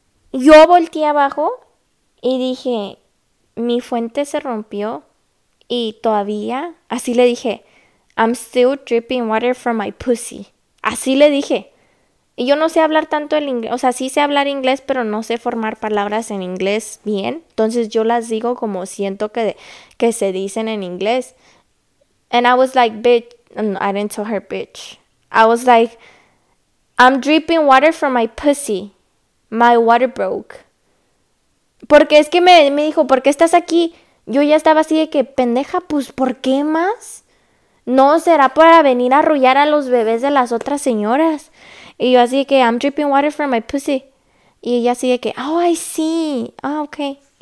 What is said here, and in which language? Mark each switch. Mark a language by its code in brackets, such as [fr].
[es] Yo volteé abajo y dije, mi fuente se rompió y todavía, así le dije, [en] I'm still dripping water from my pussy. [es] Así le dije. Y yo no sé hablar tanto el inglés, o sea, sí sé hablar inglés, pero no sé formar palabras en inglés bien. Entonces yo las digo como siento que se dicen en inglés. [en] And I was like, bitch, no, I didn't tell her bitch. I was like, I'm dripping water from my pussy. My water broke. [es] Porque es que me dijo, ¿por qué estás aquí? Yo ya estaba así de que, pendeja, pues, ¿por qué más? No, será para venir a arrullar a los bebés de las otras señoras. Y yo así de que, [en] I'm dripping water from my pussy. [es] Y ella así de que, [en] oh, I see. [es] Ah, ok.